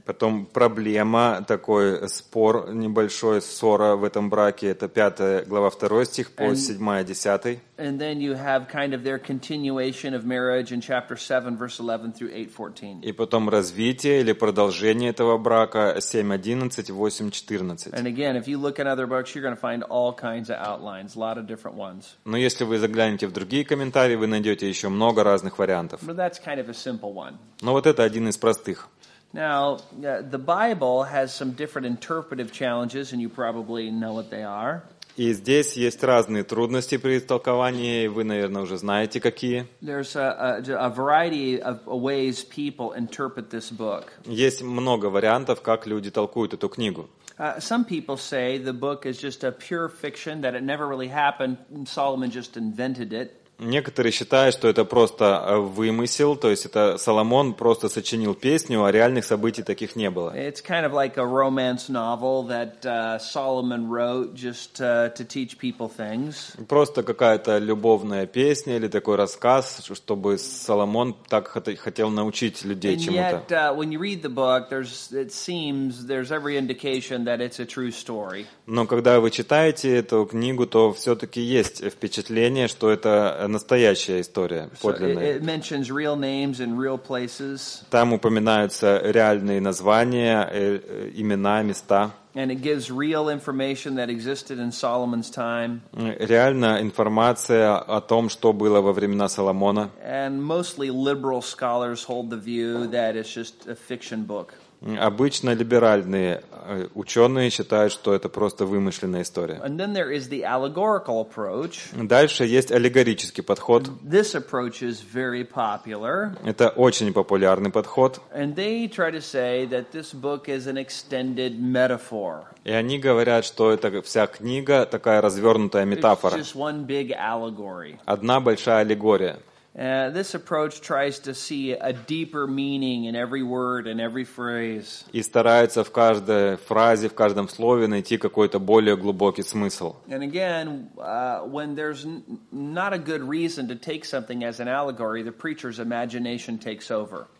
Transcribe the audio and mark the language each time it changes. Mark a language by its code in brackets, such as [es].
[ru] Потом проблема, такой спор небольшой, ссора в этом браке, это 5 глава 2 стих по 7-10. [en] And then you have kind of their continuation of marriage in chapter 7 verse 11 through 8:14. [ru] И потом развитие или продолжение этого брака 7:11, 8:14. [en] And again, if you look at other books, you're going to find all kinds of outlines, a lot of different ones. [ru] Но если вы заглянете в другие комментарии, вы найдете еще много разных вариантов. [en] But that's kind of a simple one. [ru] Но вот это один из простых. [en] Now, the Bible has some different interpretive challenges, and you probably know what they are. [ru] И здесь есть разные трудности при толковании, вы, наверное, уже знаете, какие. [en] There's a variety of ways people interpret this book. [ru] Есть много вариантов, как люди толкуют эту книгу. [en] Some people say the book is just a pure fiction, that it never really happened, Solomon just invented it. [ru] Некоторые считают, что это просто вымысел, то есть это Соломон просто сочинил песню, а реальных событий таких не было. [en] It's kind of like a romance novel that Solomon wrote just to teach people things. [ru] Просто какая-то любовная песня или такой рассказ, чтобы Соломон так хотел научить людей [en] And [ru] чему-то. [en] Yet, when you read the book, it seems there's every indication that it's a true story. [ru] Но когда вы читаете эту книгу, то все-таки есть впечатление, что это настоящая история, подлинная. [en] It mentions real names and real places. [ru] Там упоминаются реальные названия, имена, места. [en] And it gives real information that existed in Solomon's time. [ru] Реальная информация о том, что было во времена Соломона. [en] And mostly liberal scholars hold the view that it's just a fiction book. [ru] Обычно либеральные ученые считают, что это просто вымышленная история. [en] And then there is the allegorical approach. [ru] Дальше есть аллегорический подход. [en] This approach is very popular. [ru] Это очень популярный подход. [en] And they try to say that this book is an extended metaphor. [ru] И они говорят, что это вся книга такая развернутая метафора. [en] It's just one big allegory. [ru] Одна большая аллегория. [en] This approach tries to see a deeper meaning in every word and every phrase. [ru] И старается в каждой фразе, в каждом слове найти какой-то более глубокий смысл. [en] And again, when there's not a good reason to take something as an allegory, the preacher's imagination takes over.